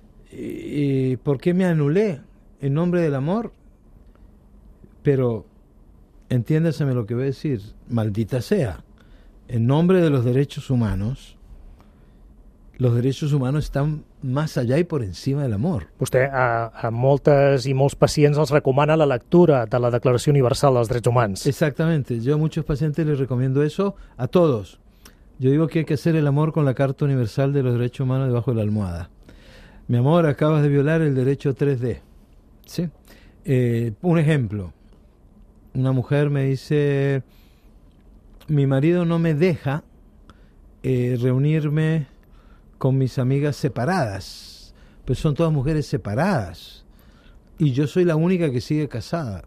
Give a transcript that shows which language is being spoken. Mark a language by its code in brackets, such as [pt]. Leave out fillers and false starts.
[es] ¿Y por qué me anulé en nombre del amor? Pero entiéndaseme lo que voy a decir, maldita sea. En nombre de los derechos humanos están más allá y por encima del amor. [ca] Vostè a moltes i molts pacients els recomana la lectura de la Declaració Universal dels Drets Humans. [es] Exactamente. Yo a muchos pacientes les recomiendo eso a todos. Yo digo que hay que hacer el amor con la Carta Universal de los Derechos Humanos debajo de la almohada. Mi amor, acabas de violar el derecho 3D. ¿Sí? Un ejemplo. Una mujer me dice, mi marido no me deja reunirme con mis amigas separadas, pues son todas mujeres separadas y yo soy la única que sigue casada.